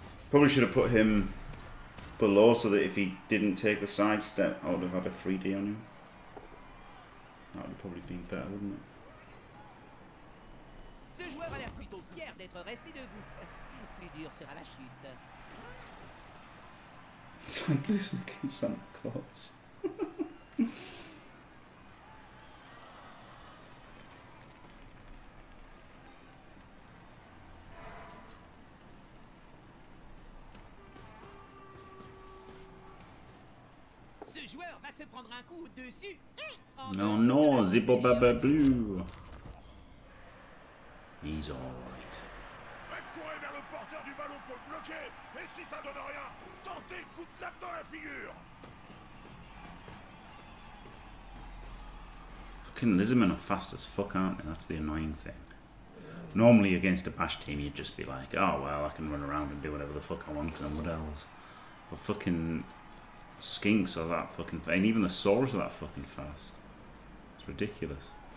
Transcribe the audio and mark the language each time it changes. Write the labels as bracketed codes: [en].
[en] Probably should have put him below so that if he didn't take the sidestep, I would have had a 3D on him. That would have probably been better, wouldn't it? [fr] Ce joueur a l'air plutôt fier d'être resté debout. Plus dur sera la chute. Sand loose looking Santa Claus. Ce joueur va se prendre un coup dessus. Non, non, Zippo Baba Blue. [en] He's alright. [fr] Courez vers le porteur du ballon pour le bloquer. Et si ça donne rien, tentez le coup de latte dans la figure. [en] Fucking Lizardmen are fast as fuck, aren't they? That's the annoying thing. Normally against a bash team, you'd just be like, oh well, I can run around and do whatever the fuck I want because I'm what else. But fucking skinks are that fucking fast. And even the saurs are that fucking fast. It's ridiculous.